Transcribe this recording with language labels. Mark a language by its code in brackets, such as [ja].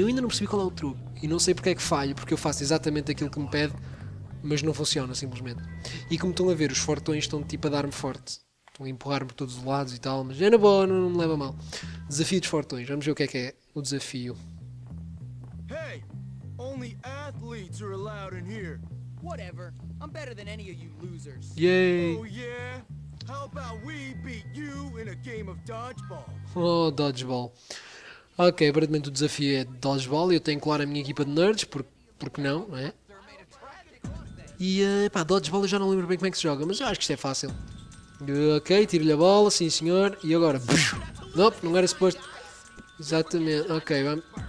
[pt] Eu ainda não percebi qual é o truque e não sei porque é que falho, porque eu faço exatamente aquilo que me pede. Mas não funciona, simplesmente. E como estão a ver, os Fortões estão tipo a dar-me forte. Estão a empurrar-me por todos os lados e tal, mas é na boa, não me leva mal. Desafio dos Fortões, vamos ver o que é o desafio. [en] Hey, only athletes are allowed in here. Whatever, I'm better than any of you losers. Yay! Oh yeah? How about we beat you in a game of dodgeball? Oh, dodgeball. [pt] Ok, aparentemente o desafio é dodgeball e eu tenho claro a minha equipa de nerds, porque não, não é? E, pá, dodgeball eu já não lembro bem como é que se joga, mas eu acho que isto é fácil. Ok, tiro-lhe a bola, sim senhor, e agora... Nope, não era suposto. Exatamente, ok, vamos...